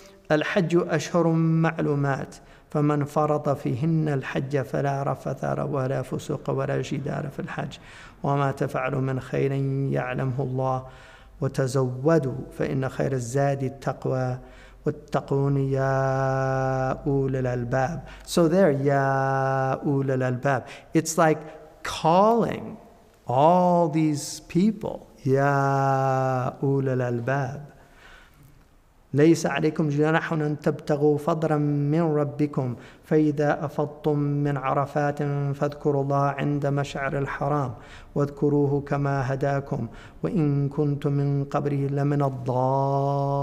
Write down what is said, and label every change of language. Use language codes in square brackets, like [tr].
[ar] الحج أشهر معلومات فمن فرض فيهن الحج فلا رفث ولا فسوق ولا جدار في الحج وما تفعل من خير يعلمه الله وتزودوا فإن خير الزاد التقوى واتقون يا أولي الألباب. [en] So there, [ar] يا أولي الألباب. [en] It's like calling all these people. [ar] يا أولي الألباب. ليس عليكم جناح أن تبتغوا فضلا من ربكم فإذا أفضتم من عرفات فاذكروا الله عند مشعر الحرام واذكروه كما هداكم وإن كنتم من قبره لمن الضالين.